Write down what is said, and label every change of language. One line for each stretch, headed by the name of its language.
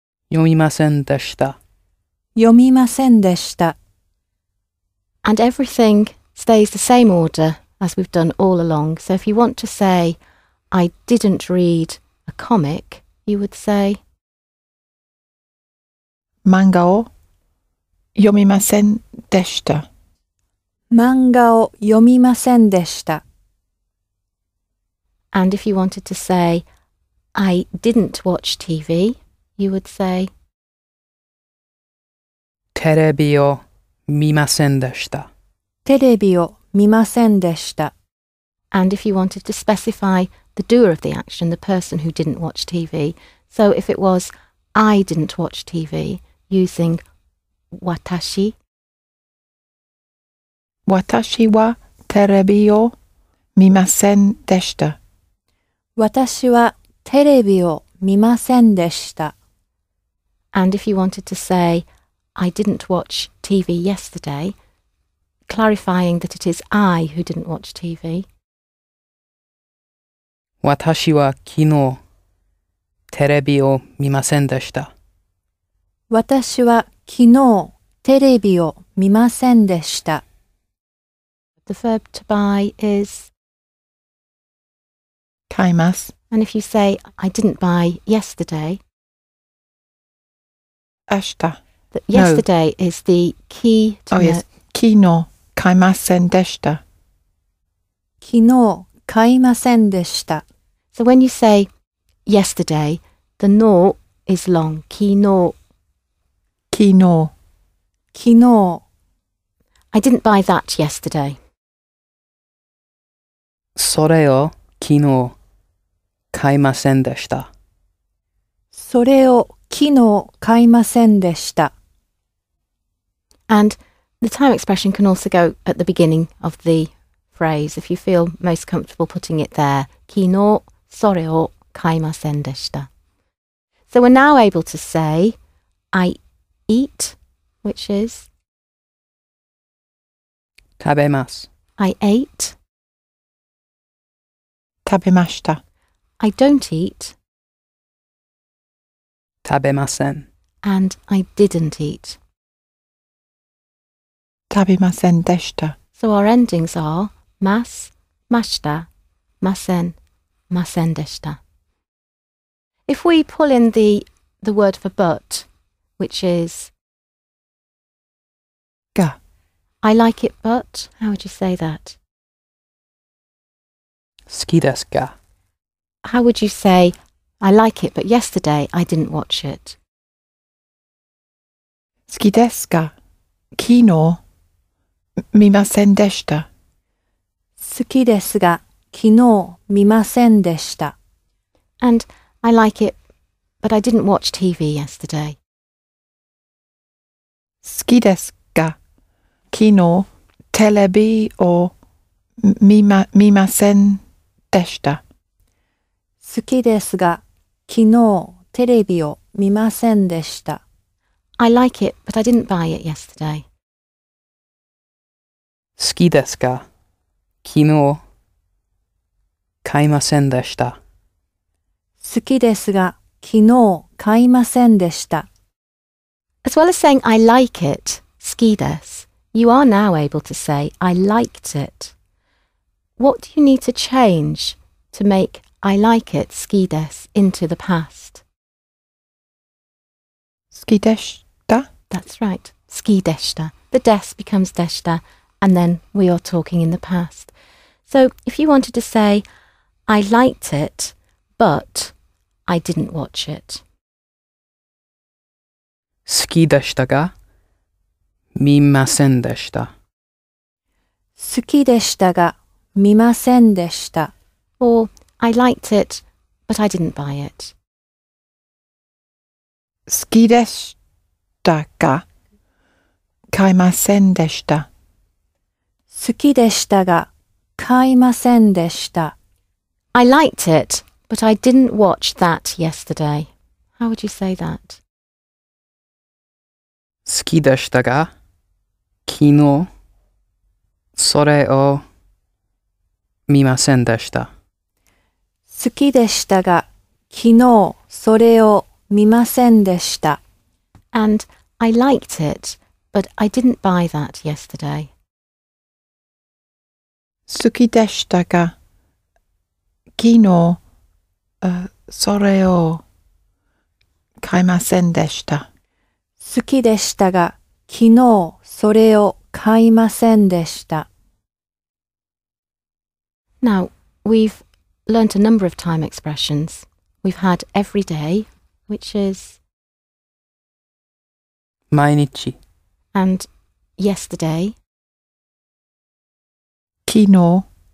Japanese: 読みませんでした。読みませんでした。
English: And everything stays the same order as we've done all along. So if you want to say, I didn't read a comic, you would say,
Japanese: 漫画を読みませんでした。漫画を読みませんでした。
English: And if you wanted to say, I didn't watch TV,You would say,
Japanese: テレビを見ませんでした。テレビを見ませんでした。
English: And if you wanted to specify the doer of the action, the person who didn't watch TV, so if it was, I didn't watch TV, using 私。
Japanese: 私はテレビを見ませんでした。私はテレビを見ませんでした。
English: And if you wanted to say, I didn't watch TV yesterday, clarifying that it is I who didn't watch TV.
Japanese: 私は昨日テレビを見ませんでした。私は昨日テレビを見ませんでした。
English: The verb to buy is
Japanese: 買います。
English: And if you say, I didn't buy yesterday,
Japanese: 明日.
English: Yesterday no. is the key to yes.
Japanese: 昨日買いませんでした。昨日買いませんでした。
English: So when you say yesterday, the no is long.
Japanese: 昨日。昨日。昨
English: 日。I didn't buy that yesterday.
Japanese: それを昨日買いませんでした。それを昨日買いませんでした。
English: And the time expression can also go at the beginning of the phrase if you feel most comfortable putting it there.
Japanese: 昨日それを買いませんでした。
English: So we're now able to say, I eat, which is?
Japanese: 食べます。
English: I ate.
Japanese: 食べました。
English: I don't eat.
Japanese: 食べません。
English: And I didn't eat.
Japanese: 食べませんでした。
English: So our endings are
Japanese: ます、ました、ません、ませんでした。
English: If we pull in the word for but, which is
Japanese: が
English: I like it but, how would you say that?
Japanese: 好きですが
English: How would you say? I like it, but yesterday I didn't watch it.
Japanese: 好きですが、昨日見ませんでした。好きですが、昨日見ませんでした。
English: And I like it, but I didn't watch TV yesterday.
Japanese: 好きですが、昨日テレビを見ませんでした。好きですが、昨日テレビを見ませんでした。
English: I like it, but I didn't buy it yesterday.
Japanese: 好きですが、昨日買いませんでした。好きですが、昨日買いませんでした。
English: As well as saying I like it,
Japanese: 好きです,
English: you are now able to say I liked it. What do you need to change to make I like it,
Japanese: 好きです,
English: into the past?
Japanese: 好きでした?
English: That's right,
Japanese: 好きでした.
English: The des becomes でした, and then we are talking in the past. So if you wanted to say I liked it, but I didn't watch it.
Japanese: 好きでしたが、見ませんでした。好きでしたが、見ませんでした。
English: Or, I liked it, but I didn't buy it.
Japanese: 好きでしたが、買いませんでした。好きでしたが、買いませんでした。
English: I liked it, but I didn't watch that yesterday. How would you say that?
Japanese: 好きでしたが、昨日、それを見ませんでした。好きでしたが、昨日、それを見ませんでした。
English: And I liked it, but I didn't buy that yesterday.
Japanese: 好きでしたが、昨日、それを買いませんでした。好きでしたが、昨日それを買いませんでした。
English: Now, we've learnt a number of time expressions. We've had every day, which is
Japanese: 毎日
English: and yesterday
Japanese: 昨日